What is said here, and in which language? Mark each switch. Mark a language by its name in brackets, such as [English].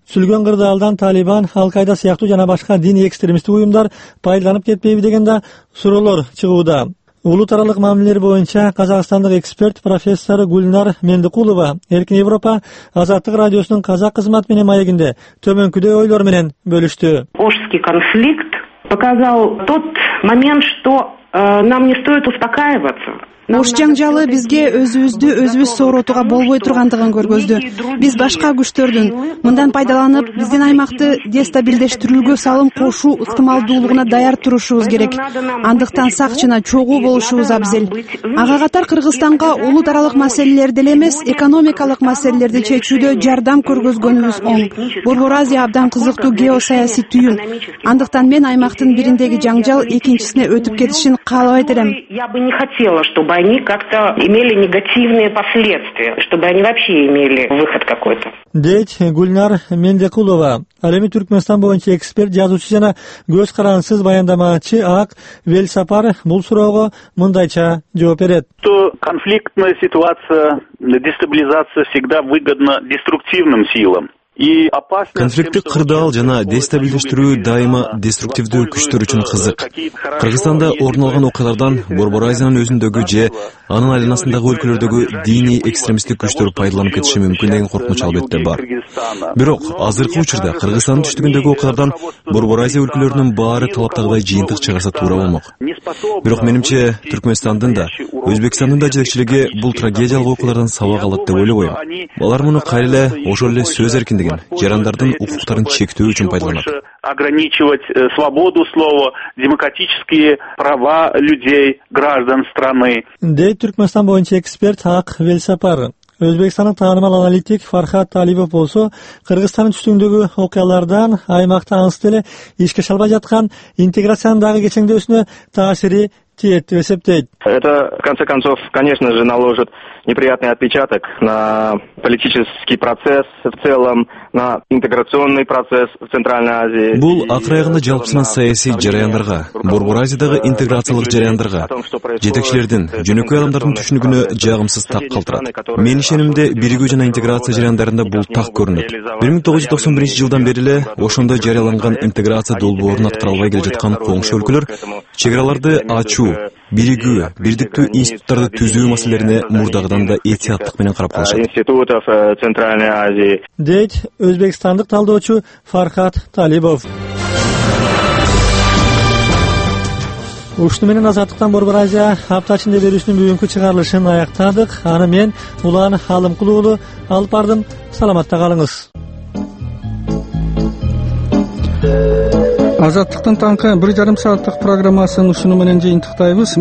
[Kyrgyz] Сүлгөн кырдаалдан Талибан, Ал-Кайда сыяктуу жана башка диний экстремисттик уюмдар пайдаланып кетпейби деген да суроолор чыгууда. Улут аралык мамилелер боюнча казакстандык эксперт профессор Гүлнар Мендикулова Эркин Европа Азаттык радиосунун казак кызматы менен маегинде төмөнкүдөй ойлор менен бөлүштү. [Russian] Ошский конфликт показал тот момент, что нам не стоит успокаиваться. [Kyrgyz] Ош жаңжалы бизге өзүбүздү өзүбүз сооротууга болбой тургандыгын көргөздү. Биз башка күчтөрдүн мындан пайдаланып биздин аймакты дестабилдештирүүгө салым кошуу ыктымалдуулугуна даяр турушубуз керек. Андыктан сак жана чогуу болушубуз абзел. Ага катар Кыргызстанга улут аралык маселелерди эле эмес, экономикалык маселелерди чечүүдө жардам көргөзгөнүбүз оң. Борбор Азия абдан кызыктуу геосаясий түйүн. Андыктан мен аймактын бириндеги жаңжал экинчисине өтүп кетишин каалабайт элем. [Russian] Чтобы они как-то имели негативные последствия, чтобы они вообще имели выход какой-то. [Kyrgyz] Дейт Гүлнар Мендикулова, ал эми Түркмөнстан боюнча эксперт, жазуучу жана көз карансыз баяндамачы Ак Велсапар бул суроого мындайча жооп берет. [Russian] То конфликтная ситуация, дестабилизация всегда выгодна деструктивным силам. [Kyrgyz] Конфликтти кырдаал жана дестабилдештирүү дайыма деструктивдүү күчтөр үчүн кызык. Кыргызстанда орун алган окуялардан Борбор Азиянын өзүндөгү же анын айланасындагы өлкөлөрдөгү диний экстремисттик күчтөр пайдаланып кетиши мүмкүн деген коркунуч албетте бар. Бирок азыркы учурда Кыргызстандын түштүгүндөгү окуялардан Борбор Азия өлкөлөрүнүн баары талаптагыдай жыйынтык чыгарса туура болмок. Бирок менимче Түркмөнстандын да Өзбекстандын да жетекчилиги бул трагедиялык окуялардан сабак алат деп ойлобойм. Алар муну кайра эле ошол эле сөз эркиндигин, жарандардын укуктарын чектөө үчүн пайдаланат. [Russian] Ограничивать свободу слова, демократические права людей, граждан страны. [Kyrgyz] Дейт Түркмөнстан боюнча эксперт Ак Велсапар. Өзбекстандын таанымал аналитик Фархат Талибов болсо, Кыргызстандын түштүгүндөгү окуялардан аймакта ансыз эле ишке аша албай жаткан интеграциянын дагы кечеңдөөсүнө таасири тиет деп эсептейт. [Russian] Это в конце концов, конечно же, наложит неприятный отпечаток на политический процесс в целом, на интеграционный процесс в Центральной Азии. [Kyrgyz] Бул акыркы аягында жалпысынан саясий жараяндарга, Борбор Азиядагы интеграциялык жараяндарга, жетекчилердин, жөнөкөй адамдардын түшүнүгүнө жагымсыз так калтырат. Менин ишенимде биригүү жана интеграция жараяндарында бул так көрүнөт. 1991 жылдан бери эле ошондо жарыяланган интеграция долбоорун аткарылбай келе жаткан коңшу өлкөлөр чегараларды ачуу, биригүү, бирдиктүү институттарды түзүү маселелерине мурдагыдан да этияттык менен карап калышат. [Russian] Институтов Центральной Азии. [Kyrgyz] Дейт өзбекстандык талдоочу Фархат Талибов. Ушуну менен Азаттыктан Борбор Азия апта ичинде берүүсүнүн бүгүнкү чыгарылышын аяктадык. Аны мен Улан Алымкул уулу алып бардым. Саламатта калыңыз. Азаттыктын таңкы 1.5 сааттык программасынын ушуну менен жыйынтыктайбыз.